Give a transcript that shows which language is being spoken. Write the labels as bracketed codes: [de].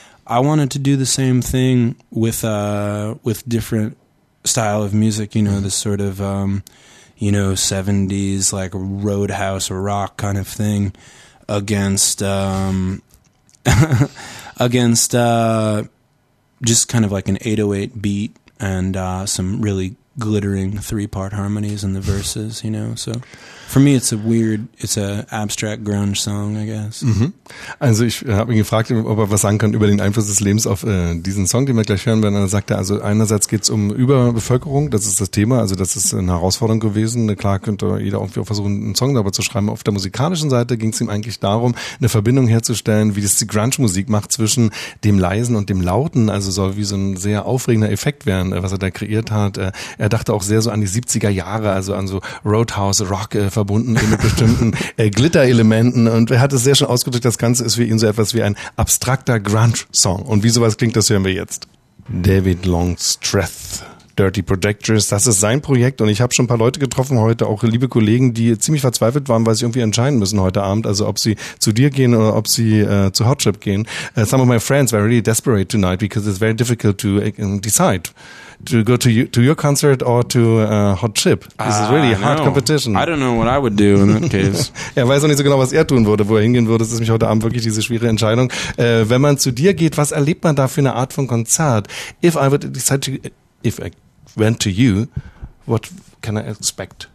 [en] I wanted to do the same thing with different style of music, you know, this sort of, 70s, like roadhouse rock kind of thing against, just kind of like an 808 beat and, some really glittering three-part harmonies in the verses, you know, so... For me, it's a weird, it's a abstract grunge song, I guess. Mm-hmm. [de] Also ich habe ihn gefragt, ob er was sagen kann über den Einfluss des Lebens auf diesen Song, den wir gleich hören werden. Dann sagt er, also einerseits geht es um Überbevölkerung, das ist das Thema, also das ist eine Herausforderung gewesen. Klar könnte jeder irgendwie auch versuchen, einen Song darüber zu schreiben. Auf der musikalischen Seite ging es ihm eigentlich darum, eine Verbindung herzustellen, wie das die Grunge-Musik macht zwischen dem Leisen und dem Lauten. Also soll wie so ein sehr aufregender Effekt werden, was er da kreiert hat. Er dachte auch sehr so an die 70er Jahre, also an so Roadhouse, Rock, verbunden mit bestimmten Glitter-Elementen. Und er hat es sehr schön ausgedrückt, das Ganze ist für ihn so etwas wie ein abstrakter Grunge-Song. Und wie sowas klingt, das hören wir jetzt. David Longstreth, Dirty Projectors, das ist sein Projekt. Und ich habe schon ein paar Leute getroffen heute, auch liebe Kollegen, die ziemlich verzweifelt waren, weil sie irgendwie entscheiden müssen heute Abend, also ob sie zu dir gehen oder ob sie zu Hotchip gehen. [en] Some of my friends were really desperate tonight because it's very difficult to decide. To go to your concert or to Hot Chip. This is really a hard competition. I don't know what I would do in that case. [de] Er weiß auch nicht so genau, was er tun würde, wo er hingehen würde. Das ist nämlich heute Abend wirklich diese schwierige Entscheidung. Wenn man zu dir geht, was erlebt man da für eine Art von Konzert? [en] If I would decide to, if I went to you, what can I expect?